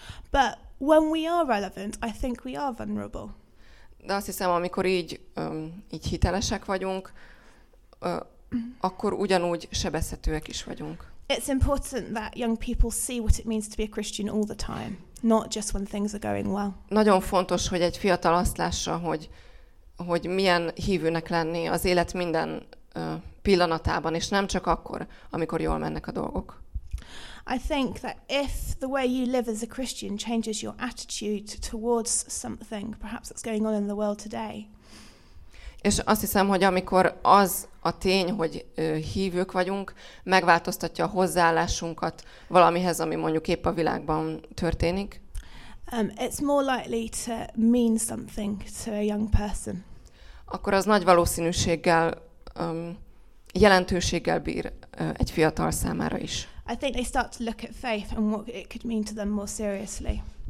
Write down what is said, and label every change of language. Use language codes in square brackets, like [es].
[en] But when we are relevant, I think we are vulnerable. [hu] De azt hiszem, amikor így hitelesek vagyunk, akkor ugyanúgy sebezhetőek is vagyunk. [en] It's important that young people see what it means to be a Christian all the time, not just when things are going well. [hu] Nagyon fontos, hogy egy fiatal azt lássa, hogy milyen hívőnek lenni az élet minden pillanatában, és nem csak akkor, amikor jól mennek a dolgok. [en] I think that if the way you live as a Christian changes your attitude towards something, perhaps that's going on in the world today. [hu] És azt hiszem, hogy amikor az a tény, hogy hívők vagyunk, megváltoztatja a hozzáállásunkat valamihez, ami mondjuk épp a világban történik. [en] It's more likely to mean something to a young person. [hu] Akkor az nagy valószínűséggel jelentőséggel bír egy fiatal számára is. [en] I think they start to look at faith and what it could mean to them more seriously.